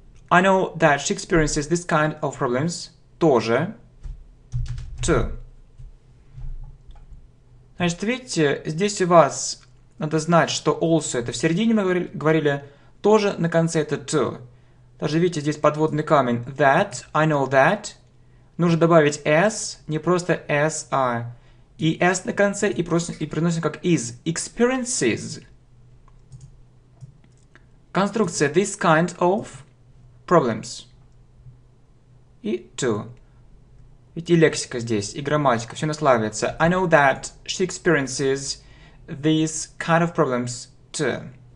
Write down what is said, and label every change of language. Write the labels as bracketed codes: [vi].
[en] I know that she experiences this kind of problems. [ru] Тоже. To. Значит, видите, здесь у вас надо знать, что also это в середине мы говорили, тоже на конце это to. Даже видите, здесь подводный камень. [en] That. I know that. [ru] Нужно добавить s, не просто s, а и s на конце, и просто и приносим как is. [en] Experiences. Конструкция this kind of. Problems. И to. [ru] Ведь и лексика здесь, и грамматика, все наслаивается. [en] I know that she experiences these kind of problems too.